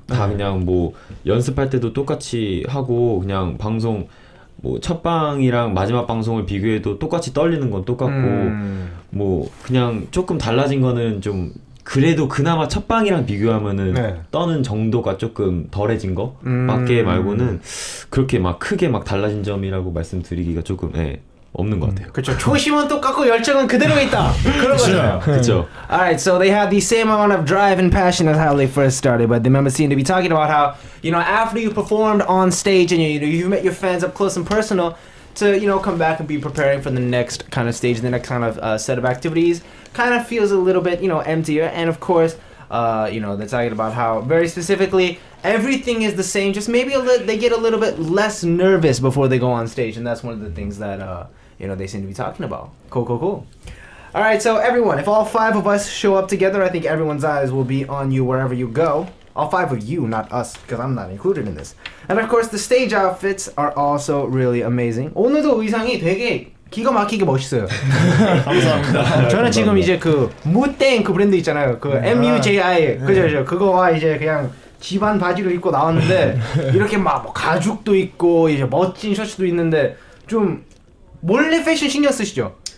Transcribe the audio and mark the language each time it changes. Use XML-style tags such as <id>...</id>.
<ko>다 그냥 뭐 연습할 때도 똑같이 하고 그냥 방송 뭐 첫 방이랑 마지막 방송을 비교해도 똑같이 떨리는 건 똑같고 뭐 그냥 조금 달라진 거는 좀 그래도 그나마 첫 방이랑 비교하면은 네. 떠는 정도가 조금 덜해진 거 밖에 말고는 그렇게 막 크게 막 달라진 점이라고 말씀드리기가 조금 예. 없는 것 같아요. 그렇죠. 초심은 똑같고 열정은 그대로 있다. 그런 거잖아요. 그렇죠.</ko> <en>Alright, so they have the same amount of drive and passion as how they first started, but the members seem to be talking about how, you know, after you performed on stage and you met your fans up close and personal, to, you know, come back and be preparing for the next kind of stage, the next kind of set of activities, kind of feels a little bit, you know, emptier. And of course, you know, they're talking about how very specifically everything is the same, just maybe they get a little bit less nervous before they go on stage, and that's one of the things that, you know, they seem to be talking about. Cool, cool, cool. Alright, so everyone, if all five of us show up together, I think everyone's eyes will be on you wherever you go. All five of you, not us, because I'm not included in this. And of course, the stage outfits are also really amazing.</en> <ko>오늘도 의상이 되게 기가 막히게 멋있어요. 감사합니다. 저는 지금 이제 그 무땡 그 브랜드 있잖아요. 그 MUJI, 그죠, 그죠. 그거와 이제 그냥 집안 바지를 입고 나왔는데 이렇게 막 뭐 가죽도 있고 이제 멋진 셔츠도 있는데 좀 몰래 패션 신경 쓰시죠?</ko>